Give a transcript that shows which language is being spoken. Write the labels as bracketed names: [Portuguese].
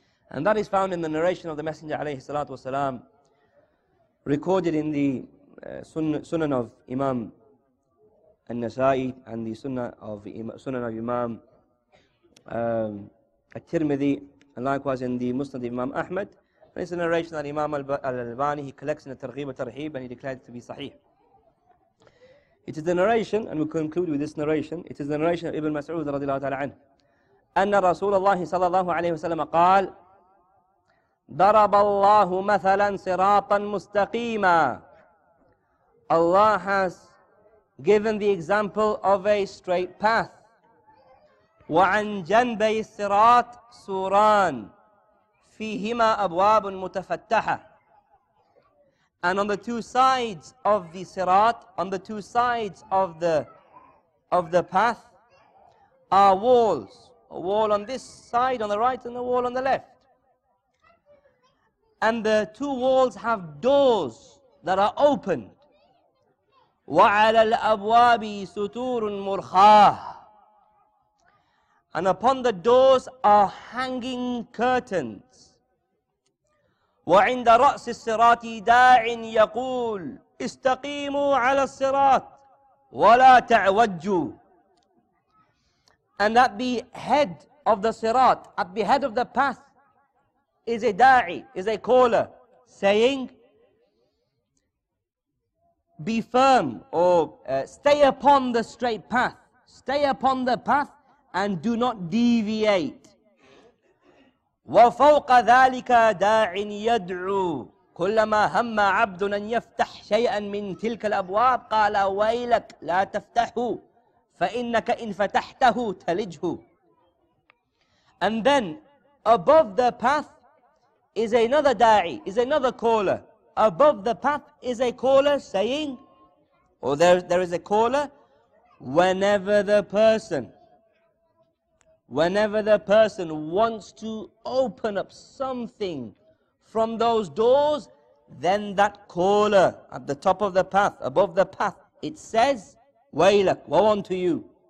[English] And that is found in the narration of the Messenger alayhi salatu wasalam, recorded in the Sunan of Imam An-Nasa'i and the Sunan of Imam At-Tirmidhi, and likewise in the Musnad of Imam Ahmad. And it's a narration that Imam Al-Albani, he collects in the Targhib al-Tarhib and he declared it to be sahih. It is the narration, and we conclude with this narration. It is the narration of Ibn Mas'ud radiallahu ta'ala anhu. [Arabic] أن رسول الله صلى الله عليه وسلم قال ضرب الله مثلا صراطا مستقيما. [English] Allah has given the example of a straight path. [Arabic] وعن جنبي الصراط سوران فيهما أبواب متفتحة. [English] And on the two sides of the sirat, on the two sides of the path, are walls. A wall on this side, on the right, and a wall on the left. And the two walls have doors that are opened. [Arabic] وعلى الأبواب سطور مرخاة. [English] And upon the doors are hanging curtains. [Arabic] وعند رأس الصراط داع يقول استقيموا على الصراط ولا تعوجوا. [English] And at the head of the sirat, at the head of the path, is a da'i, is a caller, saying, be firm, stay upon the straight path, stay upon the path and do not deviate. [Arabic] وفوق ذلك داع يدعو كلما هم عبد أن يفتح شيئا من تلك الأبواب قال ويلك لا تفتحه فَإِنَّكَ إِنْ فَتَحْتَهُ تَلِجْهُ. [English] And then above the path is another da'i, is another caller. Above the path is a caller saying, or there is a caller, whenever the person wants to open up something from those doors, then that caller at the top of the path, above the path, it says, Waylak, woe unto you.